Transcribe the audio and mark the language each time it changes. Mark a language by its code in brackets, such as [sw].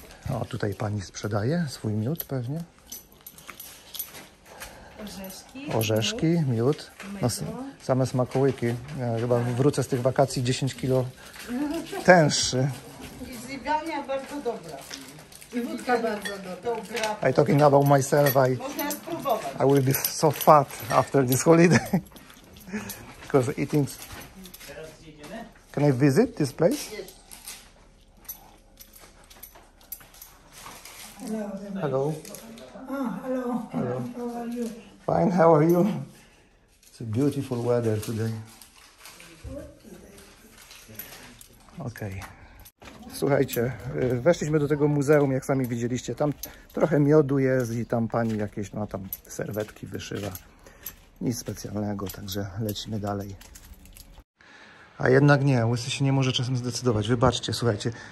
[pl] O, tutaj pani sprzedaje swój miód pewnie. Orzeszki, miód. No, same smakołyki. Ja chyba wrócę z tych wakacji 10 kilo tęższy. I zjebania bardzo dobra. I wódka bardzo dobra. [en] I'm talking about myself. I will be so fat after this holiday. Because eating... Can I visit this place? Hello. Hello. Oh, hello. Hello. How are you? Fine, how are you? It's a beautiful weather today. Okay. [pl] Słuchajcie, weszliśmy do tego muzeum, jak sami widzieliście. Tam trochę miodu jest i tam pani jakieś, no tam serwetki wyszywa. Nic specjalnego, także lecimy dalej. A jednak nie, Łysy się nie może czasem zdecydować. Wybaczcie, słuchajcie.